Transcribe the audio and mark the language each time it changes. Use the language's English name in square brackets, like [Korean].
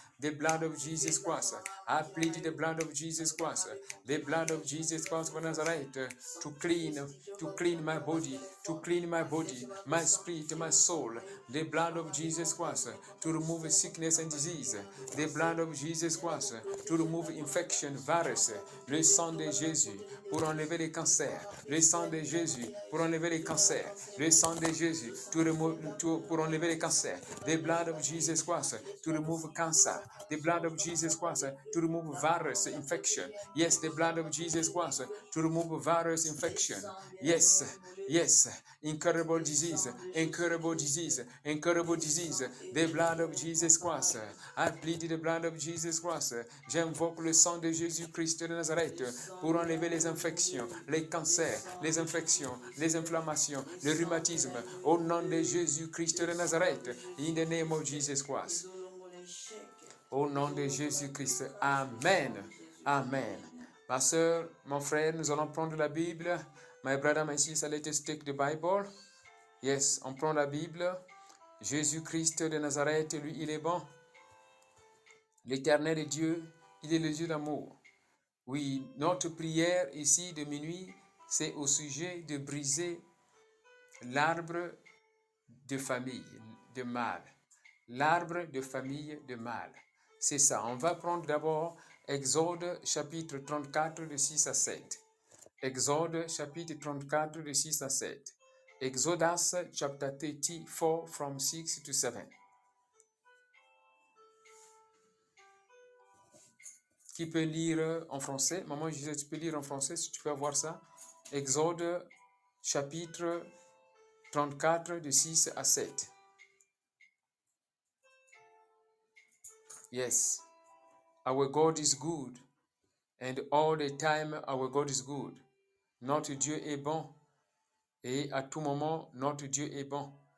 [English] The blood of Jesus Christ. I plead the blood of Jesus Christ. The blood of Jesus Christ of Nazareth to clean my body, to clean my body, my spirit, my soul. The blood of Jesus Christ to remove sickness and disease. The blood of Jesus Christ to remove infection, virus. [French] Le sang de Jésus pour enlever les cancers. Le sang de Jésus pour enlever les cancers. Le sang de Jésus pour enlever les cancers. [English] The blood of Jesus Christ to remove cancer. The blood of Jesus Christ to remove virus infection. Yes, the blood of Jesus Christ to remove virus infection. Yes, yes, incurable disease. The blood of Jesus Christ. I plead the blood of Jesus Christ. [French] J'invoque le sang de Jésus Christ de Nazareth pour enlever les infections, les cancers, les infections, les inflammations, le rhumatisme. Au nom de Jésus Christ de Nazareth, [English] in the name of Jesus Christ. [French] Au nom de Jésus-Christ. Amen. Amen. Ma soeur, mon frère, nous allons prendre la Bible. [English] My brother, my sister, let us take the Bible. [French] Yes, on prend la Bible. Jésus-Christ de Nazareth, lui, il est bon. L'Éternel est Dieu, il est le Dieu d'amour. Oui, notre prière ici de minuit, c'est au sujet de briser l'arbre de famille, de mal. L'arbre de famille, de mal. C'est ça. On va prendre d'abord Exode chapitre 34, de 6 à 7. Exode chapitre 34, de 6 à 7. [English] Exodus chapter 34, from 6 to 7. [French] Qui peut lire en français? Maman, je disais, tu peux lire en français si tu peux avoir ça. Exode chapitre 34, de 6 à 7. [English] Yes, our God is good, and all the time our God is good. [French] Notre Dieu est bon, et à tout moment, notre Dieu est bon.